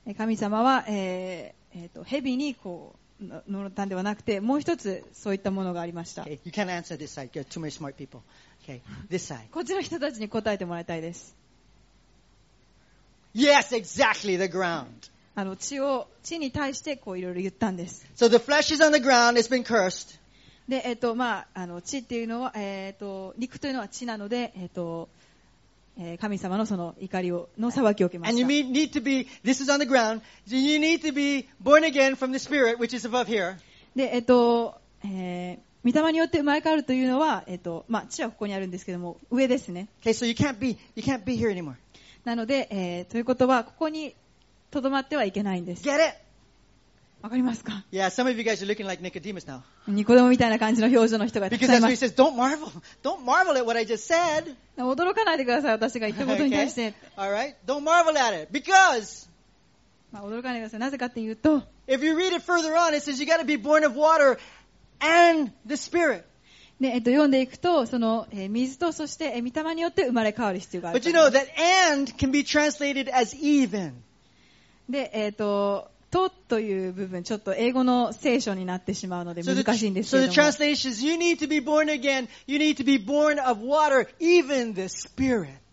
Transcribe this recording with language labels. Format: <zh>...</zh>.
<ja>神様は、蛇にこう乗ったんではなくて、もう一つそういったものがありました。</ja> <en>Okay. You can't answer this side. You're too many smart people. Okay. This side.</en> <ja>こっちの人たちに答えてもらいたいです。</ja> <en>Yes, exactly. The ground.</en> <ja>あの 地に対してこういろいろ言ったんです。</ja> <en>So the flesh is on the ground, it's been cursed.</en> <ja>で、まあ、あの地っていうのは、肉というのは地なので、神様のその怒りをの裁きを受けました。</ja> <en>And you need to be, this is on the ground, you need to be born again from the spirit which is above here.</en> <ja>で、御霊によって生まれ変わるというのは、まあ、地はここにあるんですけども、上ですね。</ja> <en>Okay, so you can't be here anymore.</en> <ja>なので、ということは、ここに、とどまってはいけないんです。</ja> <en>Get it?</en> <ja>わかりますか？</ja> <en>Yeah, some of you guys are looking like Nicodemus now.</en> <ja>ニコデモみたいな感じの表情の人がたくさんいます。</ja> <en>Because that's what he says, don't marvel at what I just said.</en> <ja>驚かないでください、私が言ったことに対して。</ja> <en>Okay. All right, don't marvel at it, because.</en> <ja>まあ驚かないでください。なぜかっていうと。</ja> <en>If you read it further on, it says you got to be born of water and the spirit.</en> <ja>で、読んでいくと、その、水とそして御霊によって生まれ変わる必要がある。</ja> <en>But you know that and can be translated as even.</en> <ja>で、という部分、ちょっと英語の聖書になってしまうので難しいんですけれども。</ja> <en>So the translation is, you need to be born again, you need to be born of water, even the spirit.</en>